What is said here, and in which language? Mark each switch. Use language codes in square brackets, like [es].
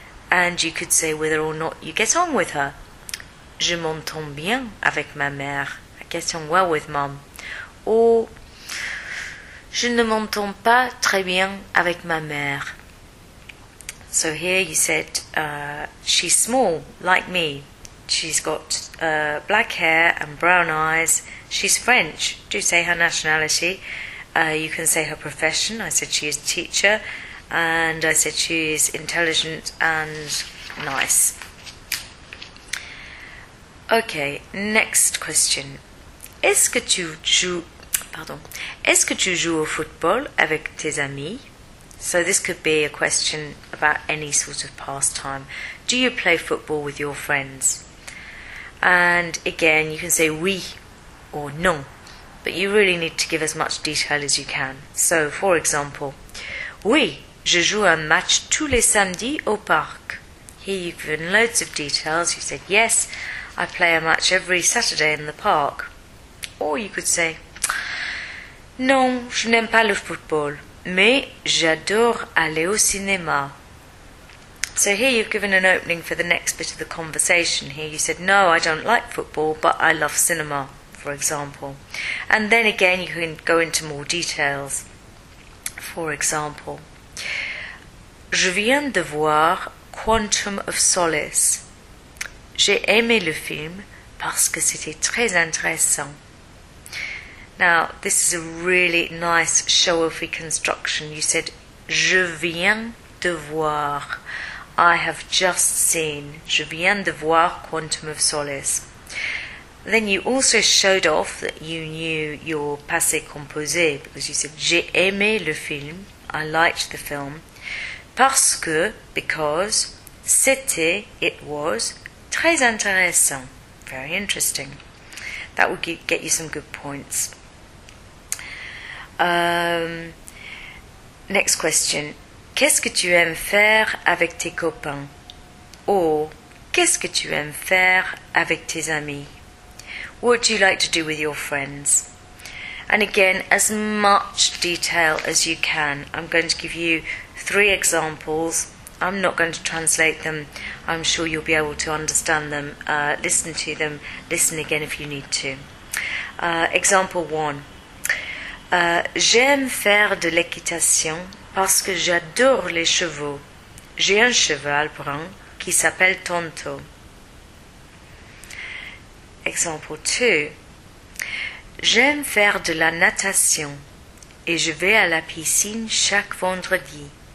[en] And you could say whether or not you get on with her. [fr] Je m'entends bien avec ma mère. [en] I get on well with Mom. [fr] Ou je ne m'entends pas très bien avec ma mère. [en] So here you said, she's small, like me. She's got black hair and brown eyes. She's French. Do say her nationality. You can say her profession. I said she is a teacher. And I said she is intelligent and nice. Okay, next question. [fr] Est-ce que tu joues au football avec tes amis? [en] So this could be a question about any sort of pastime. Do you play football with your friends? And again, you can say oui or non, but you really need to give as much detail as you can. So, for example, [fr] oui, je joue un match tous les samedis au parc. [en] Here you've given loads of details. You said yes, I play a match every Saturday in the park. Or you could say [fr] non, je n'aime pas le football. Mais j'adore aller au cinéma. [en] So here you've given an opening for the next bit of the conversation. Here you said, no, I don't like football, but I love cinema, for example. And then again, you can go into more details. For example, [fr] je viens de voir Quantum of Solace. J'ai aimé le film parce que c'était très intéressant. [en] Now, this is a really nice show of reconstruction. You said, [fr] je viens de voir. [en] I have just seen. [fr] Je viens de voir Quantum of Solace. [en] Then you also showed off that you knew your passé composé because you said, j'ai aimé le film. I liked the film. [fr] Parce que, [en] because, [fr] c'était, [en] it was, [fr] très intéressant. [en] Very interesting. That would get you some good points. Next question. [fr] Qu'est-ce que tu aimes faire avec tes copains? Or, qu'est-ce que tu aimes faire avec tes amis? [en] What do you like to do with your friends? And again, as much detail as you can. I'm going to give you 3 examples. I'm not going to translate them. I'm sure you'll be able to understand them, listen to them, listen again if you need to. Example 1. [fr] J'aime faire de l'équitation parce que j'adore les chevaux. J'ai un cheval brun qui s'appelle Tonto. [en] Example 2. [fr] J'aime faire de la natation et je vais à la piscine chaque vendredi.